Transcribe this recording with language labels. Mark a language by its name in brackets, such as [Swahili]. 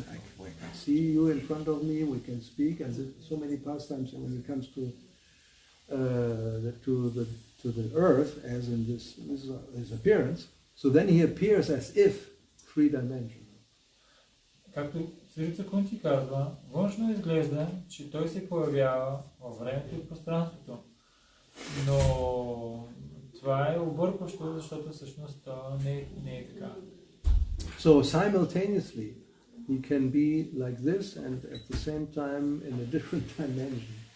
[English] I can see you in front of me. We can speak. As so many pastimes, when it comes to the earth, as in this is his appearance. So then he appears as if three dimensional. [Bulgarian] Както Сирица Кунти казва, външно изглежда, че той се появява във времето и пространството, но това е объркващо, защото всъщност не е така. [English] So simultaneously he can be like this and at the same time in a different dimension.